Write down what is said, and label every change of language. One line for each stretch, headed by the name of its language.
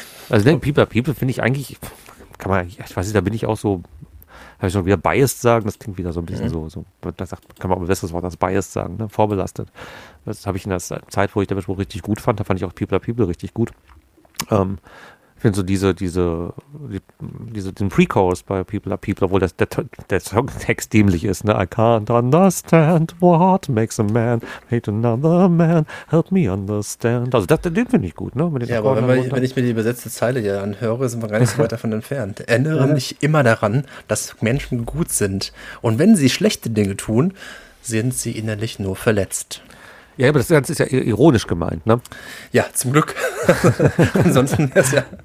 German: Also, People Are People finde ich eigentlich, kann man, ich weiß nicht, da bin ich auch so, habe ich schon wieder biased sagen, das klingt wieder so ein bisschen so, da sagt, kann man auch ein besseres Wort als biased sagen, ne? Vorbelastet. Das habe ich in der Zeit, wo ich den Spruch richtig gut fand, da fand ich auch People Are People richtig gut. Ich finde so diesen Pre-Chorus bei People Are People, obwohl der Songtext dämlich ist, ne?
English: I can't understand what makes a man hate another man, help me understand.
German: Also den finde ich gut, ne? Mit wenn ich mir die übersetzte Zeile hier anhöre, sind wir gar nicht so weit davon entfernt. Erinnere mich immer daran, dass Menschen gut sind. Und wenn sie schlechte Dinge tun, sind sie innerlich nur verletzt. Ja, aber das Ganze ist ja ironisch gemeint, ne? Ja, zum Glück. Ansonsten wäre es ja.